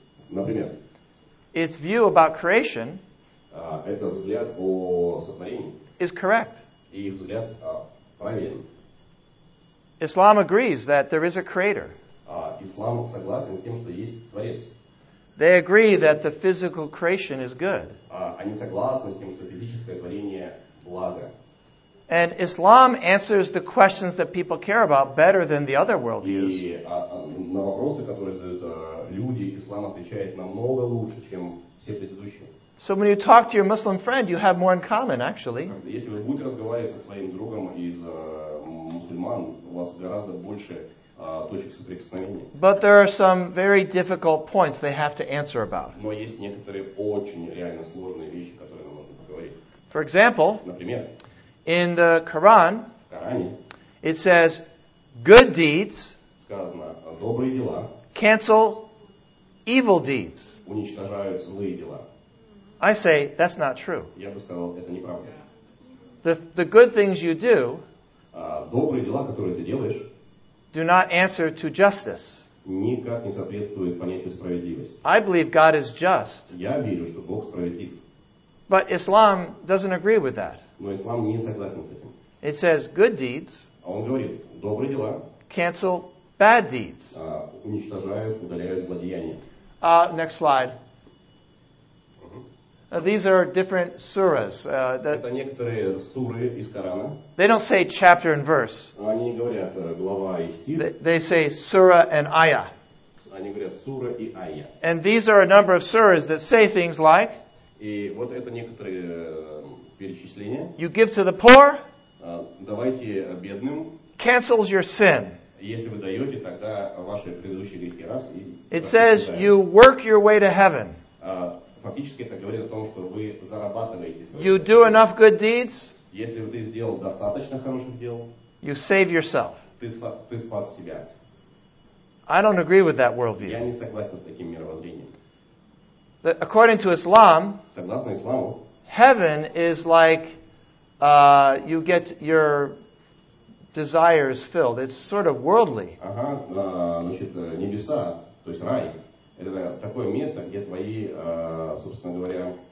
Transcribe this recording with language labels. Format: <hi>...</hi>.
<ru>например,</ru> <en>its view about creation</en> <ru>этот взгляд о сотворении</ru> <en>is correct.</en> <ru>И взгляд правильный.</ru> <en>Ислам agrees that there is a creator.</en> <ru>Ислам согласен с тем, что есть творец.</ru> <en>They agree that the physical creation is good.</en> <ru>Они согласны с тем, что физическое творение благо.</ru> <en>And Islam answers the questions that people care about better than the other worldviews.</en> <ru>И на вопросы, которые задают люди, Ислам отвечает намного лучше, чем все предыдущие.</ru> <en>So when you talk to your Muslim friend, you have more in common, actually.</en> <ru>Если вы будете разговаривать со своим другом из мусульман, у вас гораздо больше точек соприкосновения.</ru> <en>But there are some very difficult points they have to answer about.</en> <ru>Но есть некоторые очень реально сложные вещи, которые нам нужно поговорить.</ru> <en>For example,</en> <ru>например,</ru> <en>in the Quran,</en> <ru>в Коране,</ru> <en>it says, good deeds</en> <ru>сказано, добрые дела</ru> <en>cancel evil deeds.</en> <ru>Уничтожают злые дела.</ru> <en>I say, that's not true.</en> <ru>Я бы сказал, это неправда.</ru> <en>The good things you do</en> <ru>добрые дела, которые ты делаешь,</ru> <en>do not answer to justice.</en> <ru>Никак не соответствует понятию справедливости.</ru> <en>I believe God is just.</en> <ru>Я верю, что Бог справедлив.</ru> <en>But Islam doesn't agree with that.</en> <ru>Но Ислам не согласен с этим.</ru> <en>It says good deeds.</en> <ru>А он говорит, добрые дела.</ru> <en>Cancel bad deeds.</en> <ru>Уничтожают, удаляют злодеяния.</ru> <en>Next slide. These are different surahs.</en> <ru>Это некоторые суры из Корана.</ru> <en>They don't say chapter and verse.</en> <ru>Они не говорят глава и стих.</ru> <en>They say surah and ayah.</en> <ru>Они говорят сура и ая.</ru> <en>And these are a number of surahs that say things like.</en> <ru>И вот это некоторые перечисления.</ru> <en>You give to the poor.</en> <ru>Давайте бедным.</ru> <en>Cancels your sin.</en> <ru>Если вы даете, тогда ваши предыдущие грехи раз и.</ru> <en>It says you work your way to heaven.</en> <ru>Фактически это говорит о том, что вы зарабатываете.</ru> <en>You do enough good deeds.</en> <ru>Если ты сделал достаточно хороших дел.</ru> <en>You save yourself.</en> <ru>Ты спас себя.</ru> <en>I don't agree with that worldview.</en> <ru>Я не согласен с таким мировоззрением.</ru> <en>According to Islam.</en> <ru>Согласно исламу.</ru> <en>Heaven is like you get your desires filled. It's sort of worldly.</en> <ru>Ага, значит небеса, то есть рай. Это такое место, где твои, собственно говоря,</ru>